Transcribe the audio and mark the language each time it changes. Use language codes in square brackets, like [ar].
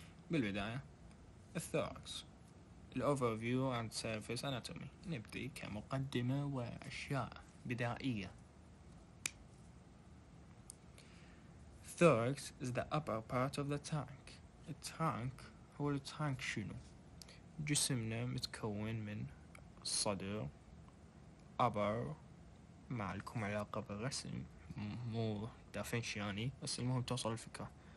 [en] بالبدايه الثوركس، الاوفر فيو اند سيرفيس اناتومي، [ar] نبدا كمقدمه واشياء بدائيه. [en] Thorax is the upper part of the tank. A tank, [ar] هو التانك شنو؟ جسمنا متكون من صدر، upper، ما لكم علاقة بالرسم، مو دافنشي يعني، بس المهم توصل الفكرة.